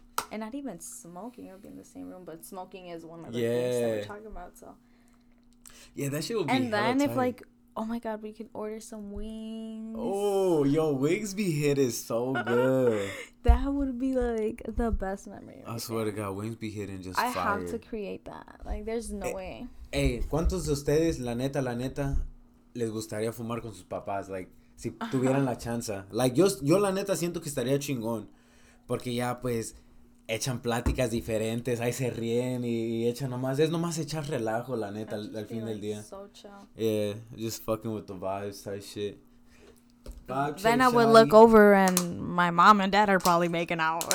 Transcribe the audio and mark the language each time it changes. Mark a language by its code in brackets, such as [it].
[en] And not even smoking, it would be in the same room, but smoking is one of the things that we're talking about, so. Yeah, that shit would be And then tight. If, like, oh my God, we can order some wings. Oh, yo, wings be hit is so good. That would be, like, the best memory. I swear to God, wings be hitting just I fire. I have to create that. Like, there's no way. [es] Hey, ¿cuántos de ustedes, la neta, les gustaría fumar con sus papás? Like, si tuvieran la chance. Like, yo la neta siento que estaría chingón. Porque ya, pues... Echan pláticas diferentes, ahí se ríen y echan nomás. Es nomás echar relajo, la neta, al fin del día. [en] So chill. Yeah, just fucking with the vibes, type shit. Then I would look over and my mom and dad are probably making out.